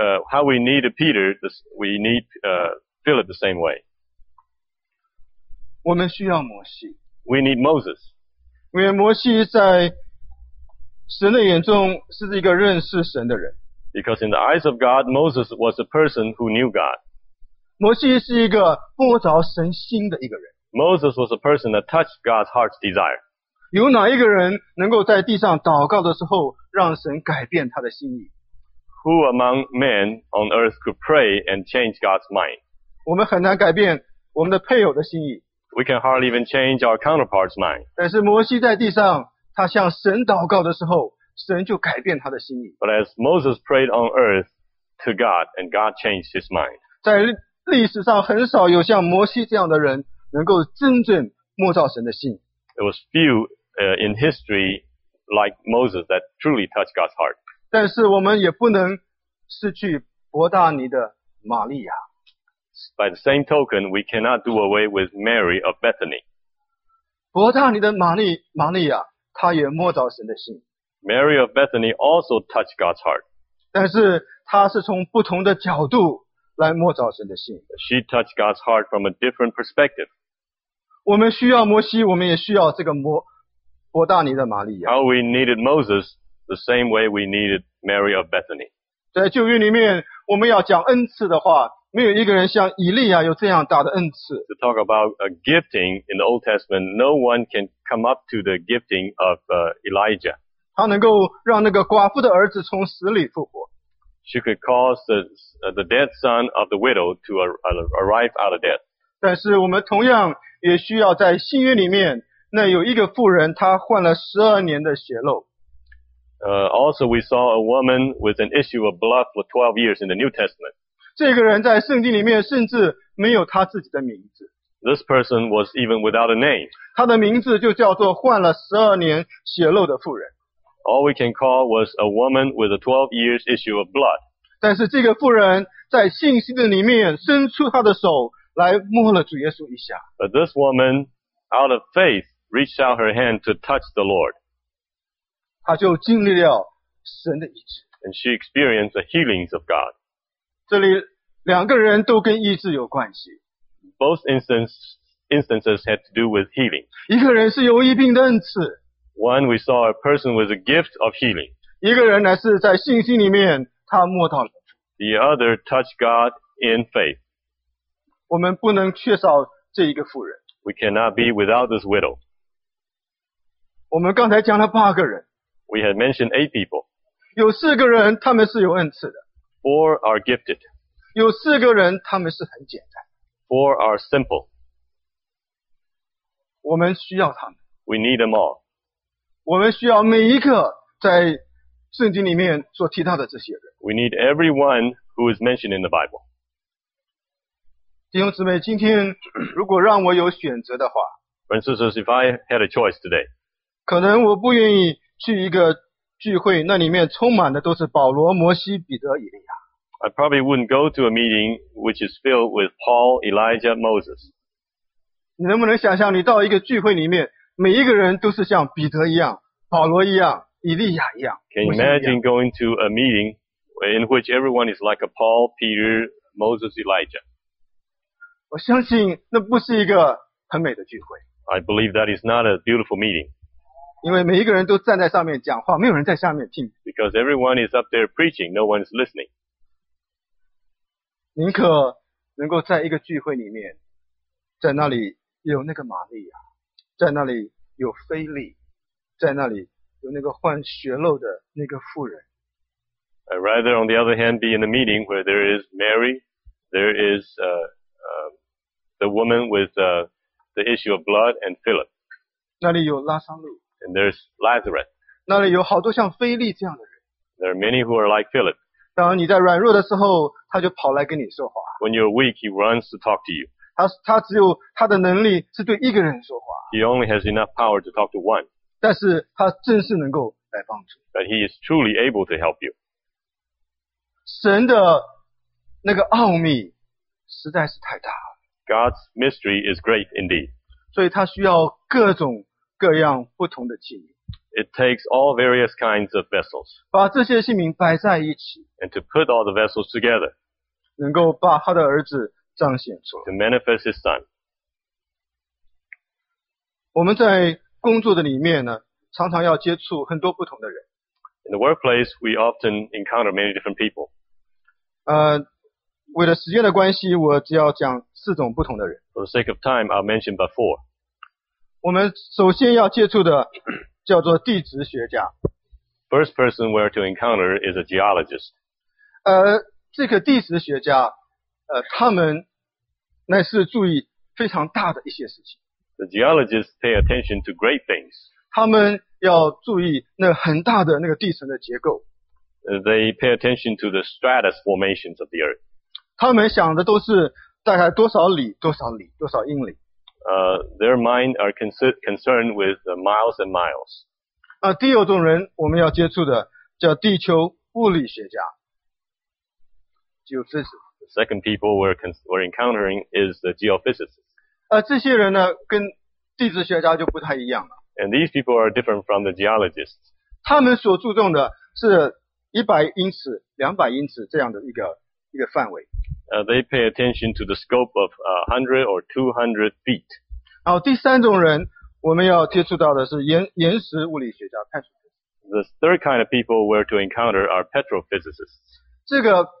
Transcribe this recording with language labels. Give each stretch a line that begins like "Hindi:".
English: How we need Peter, we need Philip the same way.
Chinese: 我们需要摩西。
English: We need Moses.
Chinese: 因为摩西在神的眼中是一个认识神的人。
English: Because in the eyes of God, Moses was a person who knew God.
Chinese: 摩西是一个摸着神心的一个人。
English: Moses was a person that touched God's heart's desire.
Chinese: 有哪一个人能够在地上祷告的时候让神改变他的心意？
English: Who among men on earth could pray and change God's mind?
Chinese: 我们很难改变我们的配偶的心意。
English: We can hardly even change our counterpart's mind.
Chinese: 但是摩西在地上，他向神祷告的时候，神就改变他的心意。
English: But as Moses prayed on earth to God, and God changed his mind.
Chinese: 在历史上很少有像摩西这样的人能够真正摸到神的心。
English: It was few in history like Moses that truly touched God's heart.
Chinese: 但是我们也不能失去伯大尼的玛利亚。
English: By the same token, we cannot do away with Mary of Bethany.
Chinese: 伯大尼的玛利亚，她也摸到神的心。
English: Mary of Bethany also touched God's heart.
Chinese: 但是她是从不同的角度来摸着神的心。
English: She touched God's heart from a different perspective.
Chinese: 我们需要摩西，我们也需要这个伯大尼的玛利亚。
English: How we needed Moses, the same way we needed Mary of Bethany.
Chinese: 在旧约里面，我们要讲恩赐的话，没有一个人像以利亚有这样大的恩赐。
English: To talk about a gifting in the Old Testament, no one can come up to the gifting of Elijah.
Chinese: 他能够让那个寡妇的儿子从死里复活。
English: She could cause the dead son of the widow to arrive out of death.
Chinese: 但是我们同样也需要在新约里面，那有一个妇人，她患了十二年的血漏。
English: Also, we saw a woman with an issue of blood for 12 years in the New Testament.
Chinese: 这个人在圣经里面甚至没有他自己的名字。
English: This person was even without a name.
Chinese: 他的名字就叫做患了十二年血漏的妇人。
English: All we can call was a woman with a 12 years issue of blood.
Chinese: 但是这个妇人在信心的里面伸出她的手来摸了主耶稣一下。
English: But this woman, out of faith, reached out her hand to touch the Lord.
Chinese: 她就经历了神的医治。
English: And she experienced the healings of God.
Chinese: 这里两个人都跟医治有关系。
English: Both instances had to do with healing.
Chinese: 一个人是有医病的恩赐。
English: One, we saw a person with a gift of healing.
Chinese: 一个人乃是在信心里面，他摸到了。
English: The other touched God in faith.
Chinese: 我们不能缺少这一个妇人。
English: We cannot be without this widow.
Chinese: 我们刚才讲了八个人。
English: We had mentioned eight people.
Chinese: 有四个人他们是有恩赐的。
English: Four are gifted.
Chinese: 有四个人他们是很简单。
English: Four are simple.
Chinese: 我们需要他们。
English: We need them all.
Chinese: 我们需要每一个在圣经里面所提到的这些人。
English: We need everyone who is mentioned in the Bible.
Chinese: 弟兄姊妹，今天如果让我有选择的话
English: ，For instance, if I had a choice today,
Chinese: 可能我不愿意去一个聚会，那里面充满的都是保罗、摩西、彼得、以利亚。
English: I probably wouldn't go to a meeting which is filled with Paul, Elijah, Moses.
Chinese: 你能不能想象，你到一个聚会里面？每一个人都是像彼得一样、保罗一样、以利亚一样。
English: Can you imagine going to a meeting in which everyone is like a Paul, Peter, Moses, Elijah?
Chinese: 我相信那不是一个很美的聚会。
English: I believe that is not a beautiful meeting.
Chinese: 因为每一个人都站在上面讲话，没有人在下面听。
English: Because everyone is up there preaching, no one is listening.
Chinese: 宁可能够在一个聚会里面，在那里有那个玛利亚。在那里有腓力，在那里有那个患血漏的那个妇人，
English: I'd rather, on the other hand, be in a meeting where there is Mary, there is the woman with the issue of blood, and Philip.
Chinese: 那里有拉撒路。
English: And there's Lazarus.
Chinese: 那里有好多像腓力这样的人。
English: There are many who are like Philip.
Chinese: 当你在软弱的时候，他就跑来跟你说话。
English: When you're weak, he runs to talk to you.
Chinese: 他只有他的能力是对一个人说话。
English: He only has enough power to talk to one.
Chinese: 但是他正是能够来帮助。
English: But he is truly able to help you.
Chinese: 神的那个奥秘实在是太大了。
English: God's mystery is great indeed.
Chinese: 所以他需要各种各样不同的器皿。
English: It takes all various kinds of vessels.
Chinese: 把这些器皿摆在一起。
English: And to put all the vessels together.
Chinese: 能够把他的儿子彰显出来。
English: To manifest his son.
Chinese: 我们在工作的里面呢，常常要接触很多不同的人。
English: In the workplace, we often encounter many different people.
Chinese: 为了时间的关系，我只要讲四种不同的人。
English: For the sake of time, I'll mention but four.
Chinese: 我们首先要接触的叫做地质学家。
English: First person we're to encounter is a geologist.
Chinese: 这个地质学家，他们乃是注意非常大的一些事情。
English: The geologists pay attention to great things.
Chinese: 他们要注意那很大的那个地层的结构。
English: They pay attention to the stratus formations of the earth.
Chinese: 他们想的都是大概多少里、多少里、多少英里。
English: Their mind are concerned with the miles and miles.
Chinese: 第二种人我们要接触的叫地球物理学家 ，geophysicist.
English: The second people we're encountering is the geophysicist.
Chinese: 这些人呢跟地质学家就不太一样了。
English: And these people are different from the geologists.
Chinese: 他们所注重的是100英尺、200英尺这样的一个范围。
English: They pay attention to the scope of 100 or 200 feet.
Chinese: 然后第三种人我们要接触到的是岩石物理学家 petrophysicist.
English: The third kind of people we're to encounter are petrophysicists.